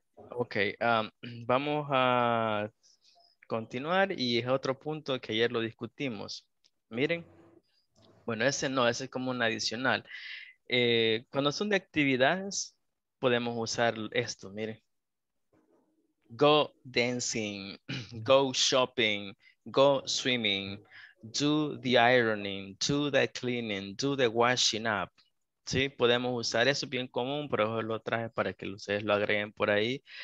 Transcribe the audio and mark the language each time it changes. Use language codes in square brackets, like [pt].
[es] Ok, vamos a continuar y es otro punto que ayer lo discutimos. Miren, bueno, ese no, ese es como un adicional. Cuando son de actividades, podemos usar esto, miren. [en] Go dancing, go shopping, go swimming, do the ironing, do the cleaning, do the washing up. [es] Sí, podemos usar eso, bien común, pero yo lo traje para que ustedes lo agreguen por ahí.